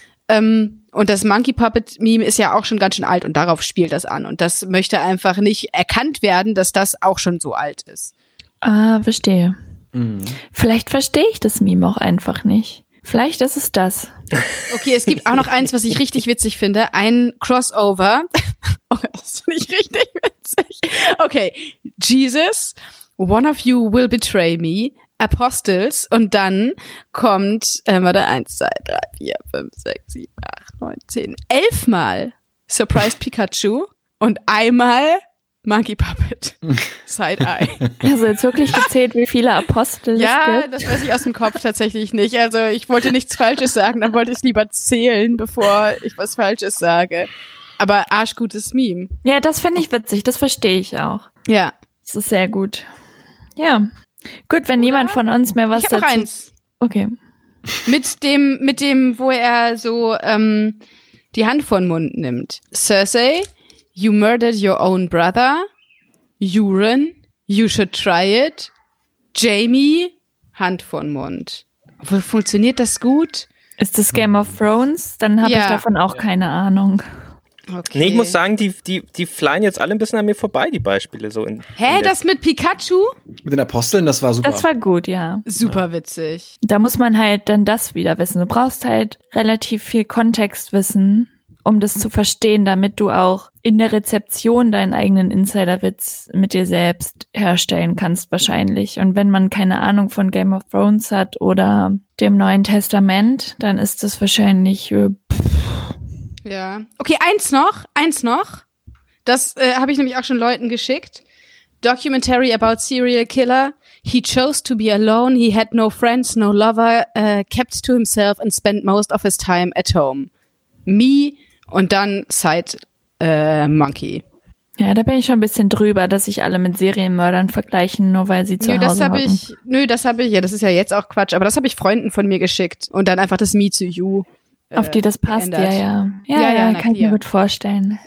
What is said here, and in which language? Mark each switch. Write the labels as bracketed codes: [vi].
[de] Und das Monkey Puppet-Meme ist ja auch schon ganz schön alt und darauf spielt das an. Und das möchte einfach nicht erkannt werden, dass das auch schon so alt ist. Ah, verstehe. Mhm. Vielleicht verstehe ich das Meme auch einfach nicht. Vielleicht ist es das. Okay, es gibt auch noch eins, was ich richtig witzig finde. Ein Crossover. Oh, das finde ich richtig witzig. Okay. [en] Jesus, one of you will betray me. [de] Apostles. Und dann kommt, warte, 1, 2, 3, 4, 5, 6, 7, 8, 9, 10, 11 Mal Surprise Pikachu und einmal Monkey Puppet. Side-Eye. Also jetzt wirklich gezählt, wie viele Apostel es gibt? Ja, das weiß ich aus dem Kopf tatsächlich nicht. Also ich wollte nichts Falsches sagen, dann wollte ich lieber zählen, bevor ich was Falsches sage. Aber arschgutes Meme. Ja, das finde ich witzig, das verstehe ich auch. Ja. Das ist sehr gut. Ja. Gut, wenn niemand von uns mehr was dazu... Ich hab noch eins. Okay. Mit dem, wo er so die Hand vor den Mund nimmt. Cersei... [en] You murdered your own brother. Euron, you should try it. Jamie, [de] Hand vor den Mund. Funktioniert das gut? Ist das Game of Thrones? Dann habe ich davon auch keine Ahnung. Okay. Nee, ich muss sagen, die flyen jetzt alle ein bisschen an mir vorbei, die Beispiele. So das mit Pikachu? Mit den Aposteln, das war super. Das war gut, ja. Super witzig. Da muss man halt dann das wieder wissen. Du brauchst halt relativ viel Kontextwissen. um das zu verstehen, damit du auch in der Rezeption deinen eigenen Insider-Witz mit dir selbst herstellen kannst wahrscheinlich. Und wenn man keine Ahnung von Game of Thrones hat oder dem Neuen Testament, dann ist das wahrscheinlich... Ja, okay, eins noch. Das habe ich nämlich auch schon Leuten geschickt. [en] Documentary about serial killer. He chose to be alone. He had no friends, no lover. Kept to himself and spent most of his time at home. [de] Me und dann Side Monkey. Ja, da bin ich schon ein bisschen drüber, dass sich alle mit Serienmördern vergleichen, nur weil sie zu Hause hocken. Nö, das habe ich. Ja, das ist ja jetzt auch Quatsch. Aber das habe ich Freunden von mir geschickt und dann einfach das Me zu You. Auf die das passt, geändert. Ja. Ja, kann ich mir gut vorstellen.